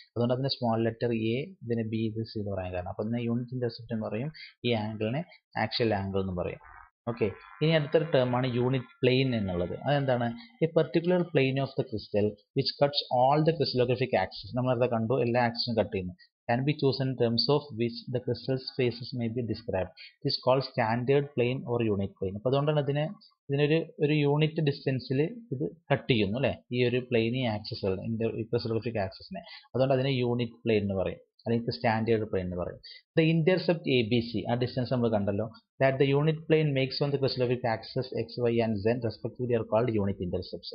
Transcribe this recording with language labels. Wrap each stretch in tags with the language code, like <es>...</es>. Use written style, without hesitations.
<ml>അതുകൊണ്ട് തന്നെ small letter A ഇതിനെ ബി ഇസ് എന്ന് പറയാൻ കാരണം. അപ്പോൾ തന്നെ യൂണിറ്റ് ഇന്റർസെപ്റ്റ് എന്ന് പറയും, ഈ ആംഗിളിനെ ആക്സിയൽ ആംഗിൾ എന്ന് പറയും. ഓക്കെ, ഇനി അടുത്തൊരു ടേമാണ് യൂണിറ്റ് പ്ലെയിൻ എന്നുള്ളത്. അതെന്താണ്,</ml> <en>A particular plane of the crystal which cuts all the crystallographic axis.</en> <ml>നമ്മൾ അത് കണ്ടു, എല്ലാ ആക്സിസും കട്ട് ചെയ്യുന്നു.</ml> <en>Can be chosen in terms of which the crystal's faces may be described. This is called standard plane or unit plane.</en> <ml>അപ്പോൾ അതുകൊണ്ടാണ് അതിനെ ഇതിനൊരു ഒരു യൂണിറ്റ് ഡിസ്റ്റൻസിൽ ഇത് കട്ട് ചെയ്യുന്നു അല്ലേ, ഈ ഒരു പ്ലെയിൻ ഈ ആക്സസ് ക്രിസ്റ്റലോഗ്രഫിക് ആക്സസിനെ. അതുകൊണ്ട് അതിനെ യൂണിറ്റ് പ്ലെയിൻ എന്ന് പറയും, അല്ലെങ്കിൽ സ്റ്റാൻഡേർഡ് പ്ലെയിൻ എന്ന് പറയും.</ml> <en>the intercept A B C,</en> <ml>ആ ഡിസ്റ്റൻസ് നമ്മൾ കണ്ടല്ലോ.</ml> <en>That the unit plane makes on the crystallographic axes X Y and Z respectively are called unit intercepts.</en>